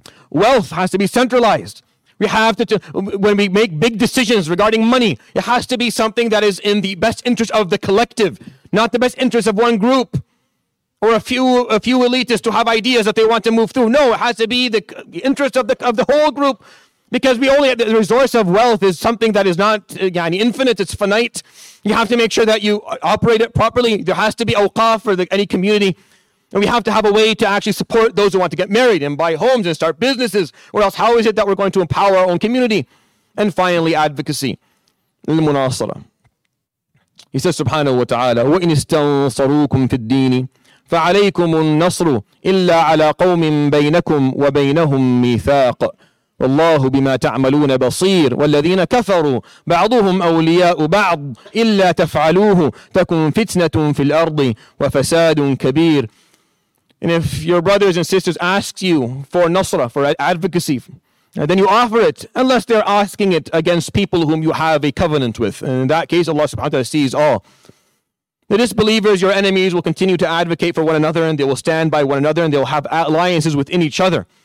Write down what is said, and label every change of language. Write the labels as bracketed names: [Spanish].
[English] Wealth has to be centralized. We have to, when we make big decisions regarding money, it has to be something that is in the best interest of the collective, not the best interest of one group or a few elitists who have ideas that they want to move through. No, it has to be the interest of the whole group, because we only have the resource of wealth is something that is not infinite, it's finite. You have to make sure that you operate it properly. There has to be awqaf for any community. And we have to have a way to actually support those who want to get married and buy homes and start businesses. Or else, how is it that we're going to empower our own community? And finally, advocacy. Al-Munasara. He says, [Arabic] subhanahu wa ta'ala, وَإِنْ إِسْتَنْصَرُوكُمْ فِي الدِّينِ فَعَلَيْكُمُ النَّصْرُ إِلَّا عَلَىٰ قَوْمٍ بَيْنَكُمْ وَبَيْنَهُمْ مِيثَاقٌ والله بما تعملون بصير والذين كفروا بعضهم أولياء بعض إلا تفعلوه تكن فتنة في الأرض وفساد كبير. [English] And if your brothers and sisters ask you for nasra, for advocacy, then you offer it, unless they're asking it against people whom you have a covenant with. And in that case, Allah subhanahu wa ta'ala sees all. The disbelievers, your enemies, will continue to advocate for one another, and they will stand by one another, and they will have alliances within each other.